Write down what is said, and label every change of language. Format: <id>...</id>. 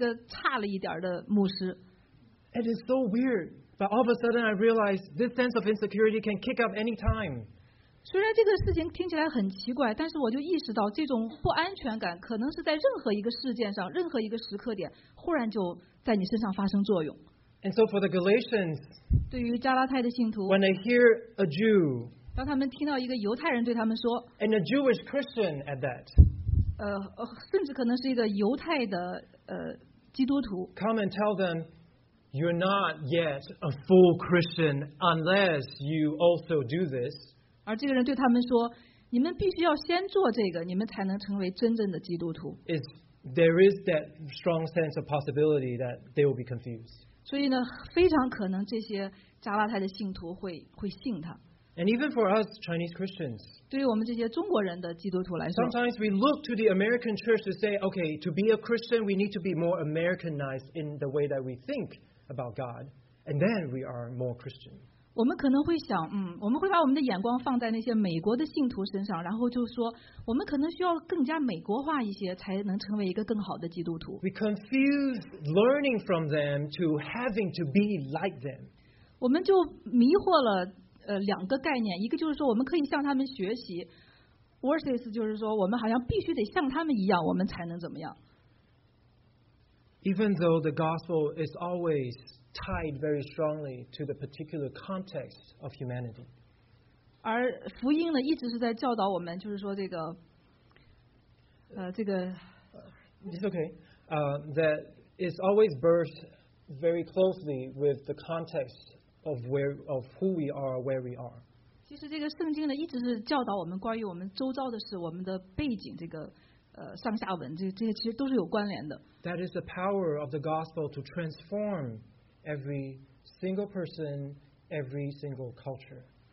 <zh>所以呢,既然我从来没有去过,我也没法宣讲关于耶路撒冷的信息,我就觉得我好像是一个差了一点的牧师。</zh> <en>It is so weird, but all of a sudden I realized this sense of insecurity can kick up any time.</en> <zh>虽然这个事情听起来很奇怪,但是我就意识到这种不安全感可能是在任何一个事件上,任何一个时刻点,忽然就在你身上发生作用。</zh> <en>And so for the Galatians,</en> <zh>对于加拉太的信徒,</zh> <en>when they hear a Jew,</en> <zh>当他们听到一个犹太人对他们说,</zh> <en>and a Jewish Christian at that,</en> <zh>甚至可能是一个犹太的基督徒,</zh> <en>come and tell them, you're not yet a full Christian unless you also do this.</en> <zh>而这个人对他们说, 你们必须要先做这个, 你们才能成为真正的基督徒。</zh> <en>There is that strong sense of possibility that they will be confused.</en> <zh>所以呢, 非常可能这些加拉太的信徒会信他。</zh> <en>And even for us Chinese Christians,</en> <zh>对于我们这些中国人的基督徒来说,</zh> <en>sometimes we look to the American church to say, okay, to be a Christian, we need to be more Americanized in the way that we think about God, and then we are more Christian.</en> <zh>我们可能会想, 我们会把我们的眼光放在那些美国的信徒身上, 然后就说, 我们可能需要更加美国化一些, 才能成为一个更好的基督徒。</zh> <en>We confuse learning from them to having to be like them.</en> <zh>我们就迷惑了, 两个概念, 一个就是说我们可以向他们学习, versus就是说我们好像必须得像他们一样, 我们才能怎么样。</zh> <en>Even though the gospel is always tied very strongly to the particular context of humanity.</en> <zh>而福音呢, 一直是在教导我们, 就是说这个,</zh> <en>it's okay. That it's always birthed very closely with the context of who we are, where we are. That is the power of the gospel to transform every single person, every single culture.</en>